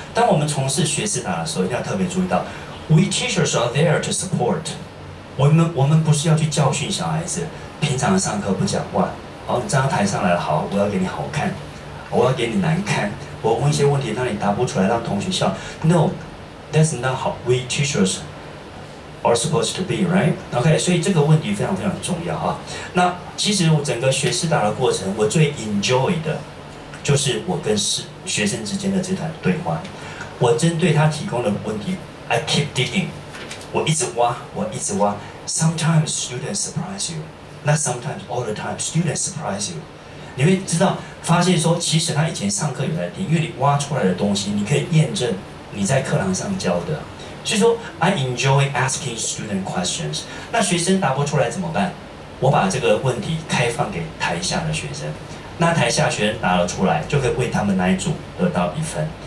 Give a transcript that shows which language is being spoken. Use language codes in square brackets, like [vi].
[zh] 当我们从事学思达的时候，一定要特别注意到 ， [en] We teachers are there to support。 [zh] 我们不是要去教训小孩子，平常上课不讲话，好，你站到台上来了，好，我要给你好看，我要给你难看，我问一些问题让你答不出来，让同学笑。 [en] No， that's not how we teachers are supposed to be， right？ [zh] OK， 所以这个问题非常非常重要啊。那其实我整个学思达的过程，我最 enjoy 的就是我跟学生之间的这段对话。我针对他提供的问题 ， [en] I keep digging。 [zh] 我一直挖，我一直挖。 [en] Sometimes students surprise you, not sometimes, all the time. Students surprise you. [zh] 你会知道，发现说，其实他以前上课有在听，因为你挖出来的东西，你可以验证你在课堂上教的。所以说 [en] ，I enjoy asking student questions. [zh] 那学生答不出来怎么办？我把这个问题开放给台下的学生，那台下学生答了出来，就可以为他们那一组得到一分。